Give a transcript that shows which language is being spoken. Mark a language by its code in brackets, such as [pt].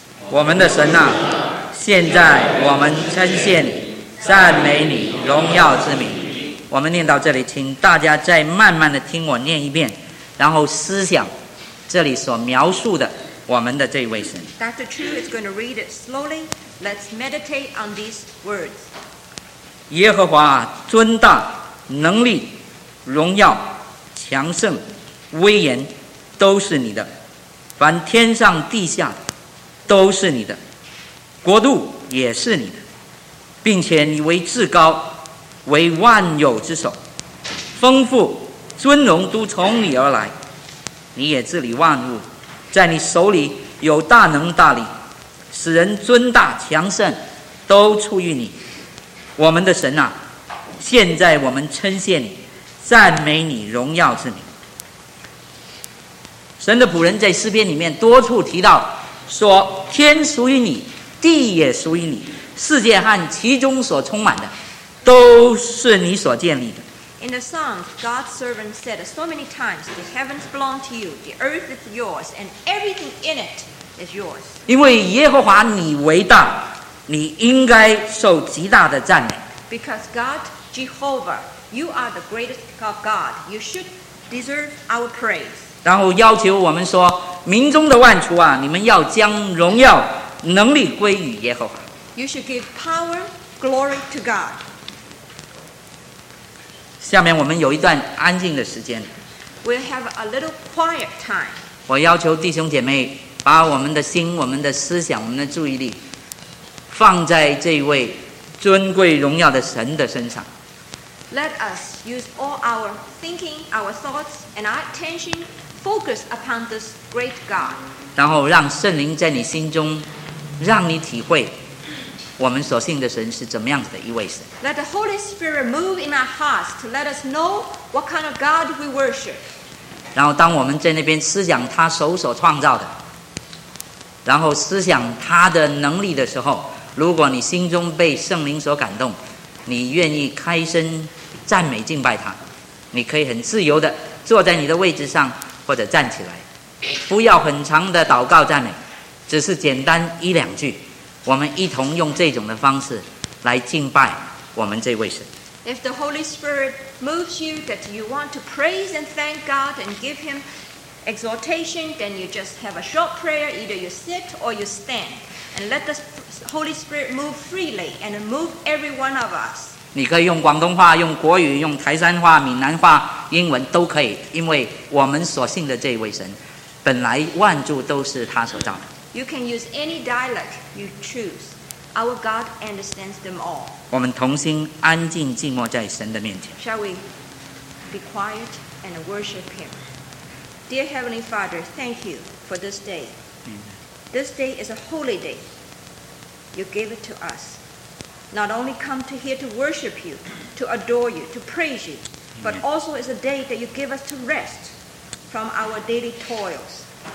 [zh] 我们的神啊，现在我们称献赞美你荣耀之名。我们念到这里，请大家再慢慢的听我念一遍，然后思想这里所描述的我们的这位神。 [en] Dr. Chu is going to read it slowly. Let's meditate on these words. [zh] 耶和华尊大，能力、荣耀、强盛、威严，都是你的。凡天上地下的，都是你的，国度也是你的，并且你为至高，为万有之首，丰富、尊荣都从你而来。你也治理万物，在你手里有大能大力，使人尊大强盛都出于你。我们的神啊，现在我们称谢你，赞美你荣耀之名。神的仆人在诗篇里面多处提到说，天属于你，地也属于你，世界和其中所充满的都是你所建立的。 [en] In the Psalms, God's servant said so many times, the heavens belong to you, the earth is yours, and everything in it is yours. [zh] 因为耶和华你为大，你应该受极大的赞美。 [en] Because God, Jehovah, you are the greatest of God, you should deserve our praise. [zh] 然后要求我们说，民中的万族啊，你们要将荣耀、能力归于耶和华。 [en] You should give power, glory to God. [zh] 下面我们有一段安静的时间。 [en] We'll have a little quiet time. [zh] 我要求弟兄姐妹把我们的心、我们的思想、我们的注意力放在这位尊贵荣耀的神的身上。 [en] Let us use all our thinking, our thoughts, and our attention focus upon this great God. [zh] 然后让圣灵在你心中，让你体会我们所信的神是怎么样子的一位神。 [en] Let the Holy Spirit move in our hearts to let us know what kind of God we worship. [zh] 然后当我们在那边思想他手所创造的，然后思想他的能力的时候，如果你心中被圣灵所感动，你愿意开声赞美敬拜他，你可以很自由的坐在你的位置上或者站起来，不要很长的祷告赞美，只是简单一两句，我们一同用这种的方式来敬拜我们这位神。 [en] If the Holy Spirit moves you that you want to praise and thank God and give Him exhortation, then you just have a short prayer. Either you sit or you stand, and let the Holy Spirit move freely and move every one of us. [zh] 你可以用广东话、用国语、用台山话、闽南话、英文都可以，因为我们所信的这位神，本来万族都是他所造的。 [en] You can use any dialect you choose. Our God understands them all. [zh] 我们同心安静静默在神的面前。 [en] Shall we be quiet and worship Him? Dear Heavenly Father, thank you for this day. This day is a holy day. You gave it to us. Not only come to here to worship you, to adore you, to praise you, but also is a day that you give us to rest from our daily toils.